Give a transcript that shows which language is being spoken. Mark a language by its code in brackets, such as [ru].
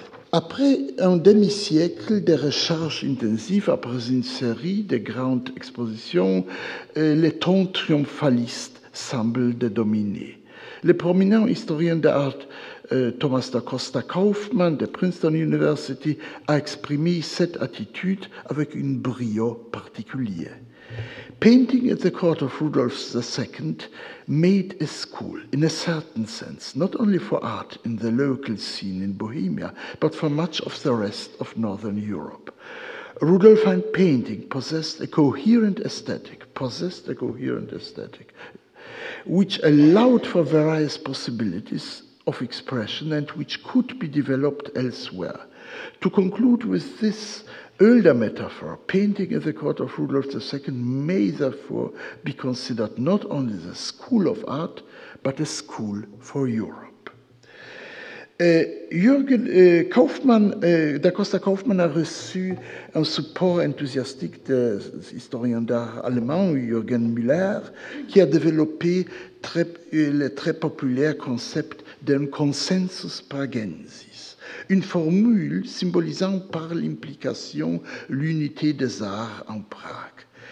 [fr] Après un demi-siècle de recherches intensives, après une série de grandes expositions, le ton triomphaliste semble de dominer. Le prominent historien d'art Thomas da Costa Kaufmann de Princeton University a exprimé cette attitude avec une brio particulière. [en] Painting at the court of Rudolf II made a school, in a certain sense, not only for art in the local scene in Bohemia, but for much of the rest of Northern Europe. Rudolfine painting possessed a coherent aesthetic, which allowed for various possibilities of expression and which could be developed elsewhere. To conclude with this older metaphor, painting at the court of Rudolf II may therefore be considered not only the school of art, but a school for Europe. [fr] Jürgen Kaufmann, Da Costa Kaufmann a reçu un support enthousiastique des historiens d'art allemands, Jürgen Müller, qui a développé le très populaire concept d'un consensus pragensis, une formule symbolisant par l'implication l'unité des arts en Prague.